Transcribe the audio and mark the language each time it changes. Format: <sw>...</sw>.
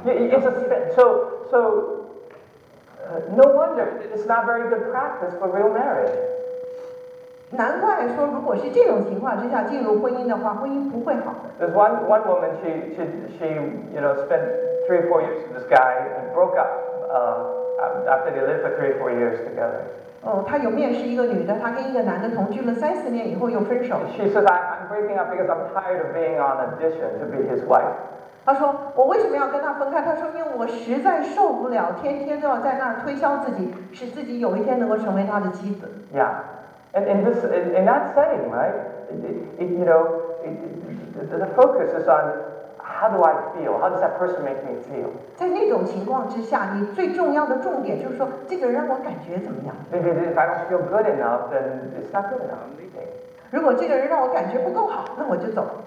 <en>So, no wonder it's not very good practice for real marriage.</en> <zh>难怪说，如果是这种情况之下进入婚姻的话，婚姻不会好。</zh> <en>There's one woman, she you know spent 3 or 4 years with this guy and broke up after they lived for 3 or 4 years together.</en> <zh>她有面试一个女的，她跟一个男的同居了三四年以后又分手。</zh> <en>She says, I'm breaking up because I'm tired of being on audition to be his wife.</en> <zh>她说，我为什么要跟他分开？她说，因为我实在受不了，天天都要在那儿推销自己，使自己有一天能够成为他的妻子。</zh> <en>Yeah, and in this, in that setting, right? The focus is on how do I feel? How does that person make me feel?</en> <zh>在那种情况之下，你最重要的重点就是说，这个人让我感觉怎么样？</zh> <en>Maybe if I don't feel good enough, then it's not good enough.</en> <zh>如果这个人让我感觉不够好，那我就走。</zh>